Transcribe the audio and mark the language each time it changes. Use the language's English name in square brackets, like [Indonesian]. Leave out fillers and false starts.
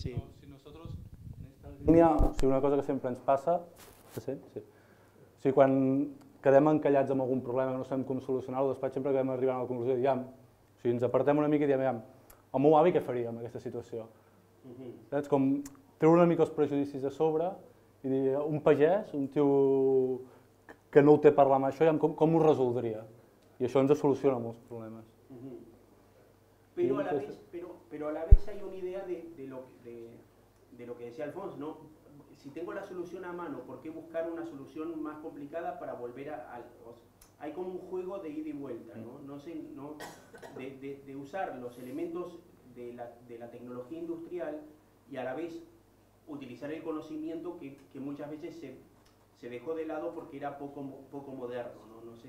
[Spanish] Si nosotros en esta línea, una cosa que siempre nos pasa, [Catalan] ¿se sent? Sí. Sí, quan quedem encallats amb algun problema que no sabem com solucionar-lo, després sempre acabem arribant a la conclusió, diguem, si ens apartem una mica i diem, el meu avi què faria en aquesta situació? Uh-huh. Saps? Com treure una mica els prejudicis de sobre i dir, un pagès, un tio que no ho té per la mà, això, com ho resoldria? I això ens soluciona molts problemes. Uh-huh. [Spanish] Però a la vez hay una idea de lo que decía Alfons, ¿no? Si tengo la solución a mano, ¿por qué buscar una solución más complicada para volver a o sea, hay como un juego de ida y vuelta, ¿no? No sé, ¿no? De usar los elementos de la tecnología industrial y a la vez utilizar el conocimiento que muchas veces se dejó de lado porque era poco moderno, ¿no?